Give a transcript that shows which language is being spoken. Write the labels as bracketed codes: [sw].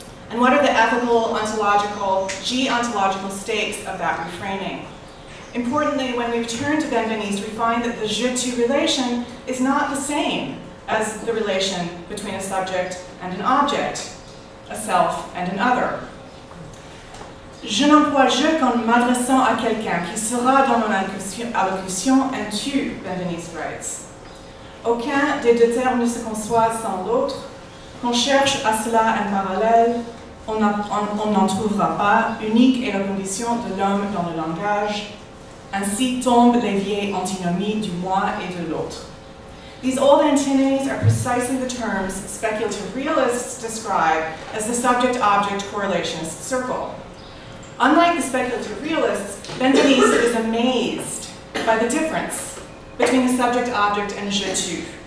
[en] And what are the ethical, ontological, geontological stakes of that reframing? Importantly, when we return to Benveniste, we find that the je-tu relation is not the same as the relation between a subject and an object, a self and an other. [fr] Je n'emploie je qu'en m'adressant à quelqu'un qui sera dans mon allocution un tu, [en] Benveniste writes. [fr] Aucun des deux termes ne se conçoit sans l'autre. Qu'on cherche à cela un parallèle, on n'en trouvera pas. Unique est la condition de l'homme dans le langage. Ainsi tombent les vieilles antinomies du moi et de l'autre. [en] These old antinomies are precisely the terms speculative realists describe as the subject-object correlationist circle. Unlike the speculative realists, Benveniste is amazed by the difference between the subject-object and je-tu.